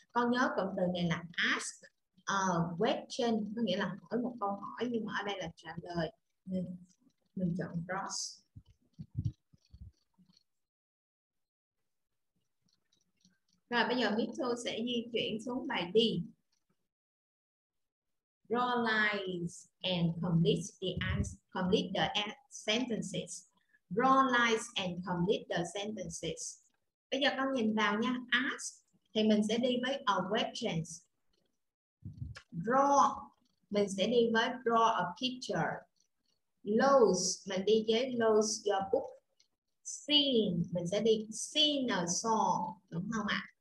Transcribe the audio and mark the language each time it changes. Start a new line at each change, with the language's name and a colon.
Vietnamese: Con nhớ cụm từ này là
English: ask a question,
Vietnamese: có nghĩa là hỏi một câu hỏi, nhưng mà ở đây là trả lời. Mình chọn Ross. Rồi bây giờ Mito sẽ di chuyển xuống bài D.
English: Draw lines and complete the answer, complete the sentences. Draw lines and complete the sentences.
Vietnamese: Bây giờ con nhìn vào nha. Ask thì mình sẽ đi với
English: a question.
Vietnamese: Draw mình sẽ đi với
English: draw a picture.
Vietnamese: Lose mình đi với
English: lose your book.
Vietnamese: Sing mình sẽ đi
English: sing a song,
Vietnamese: đúng không ạ?